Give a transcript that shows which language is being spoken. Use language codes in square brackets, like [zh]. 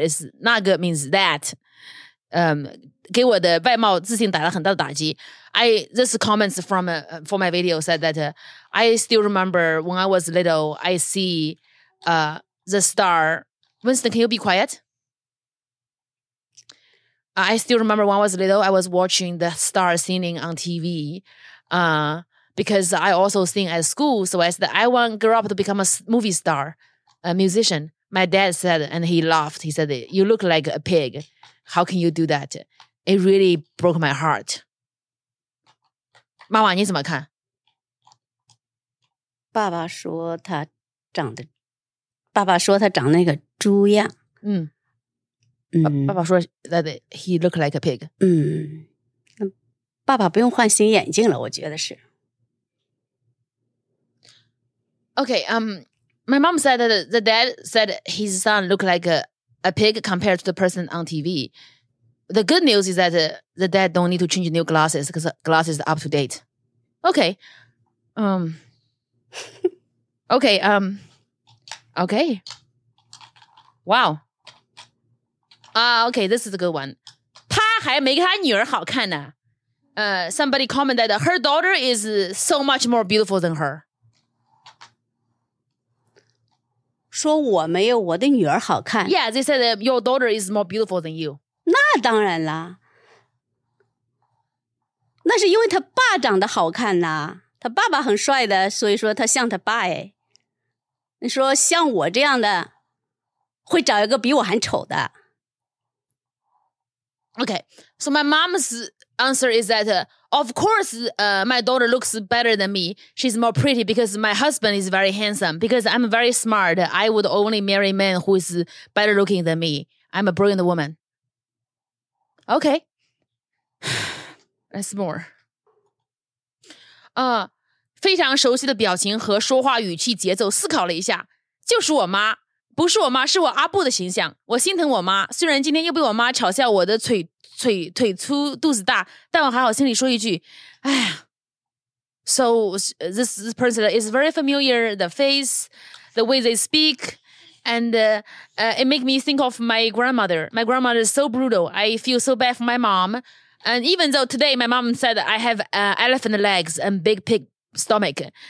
[en] Is [zh] 那个 [en] means that. [zh] 给我的外貌自信打了很大的打击。 [en] This comments from for my video said that I still remember when I was little, I see the star. Winston, can you be quiet? I still remember when I was little, I was watching the star singing on TV. Because I also sing at school. So I said, I want to grow up to become a movie star, a musician. My dad said, and he laughed. He said, you look like a pig. How can you do that? It really broke my heart. [zh] 妈妈，你怎么看？爸爸说他长那个猪样。爸爸说 [en] that he looked like a pig. [zh] 爸爸不用换新眼镜了，我觉得是。 [en] Okay, my mom said that the dad said his son looked like a pig compared to the person on TV. The good news is that the dad don't need to change new glasses because glasses are up to date. Okay. Okay. Wow. Okay, this is a good one. [zh] 她还没她女儿好看呢。 [en] Somebody commented that her daughter is so much more beautiful than her. [zh] 说我没有我的女儿好看。 [en] Yeah, they said that your daughter is more beautiful than you. [zh] 那当然啦，那是因为他爸长得好看呐，他爸爸很帅的，所以说他像他爸哎。你说像我这样的，会找一个比我还丑的 [en] ？Okay, so my mom's answer is that of course, my daughter looks better than me. She's more pretty because my husband is very handsome. Because I'm very smart, I would only marry men who is better looking than me. I'm a brilliant woman. Okay, that's more. [zh] 非常熟悉的表情和说话语气节奏，思考了一下，就是我妈，不是我妈，是我阿布的形象。我心疼我妈，虽然今天又被我妈嘲笑我的腿粗肚子大，但我还好心里说一句，哎呀。 [en] So this person is very familiar, the face, the way they speak. And it make me think of my grandmother. My grandmother is so brutal. I feel so bad for my mom. And even though today my mom said I have elephant legs and big pig stomach.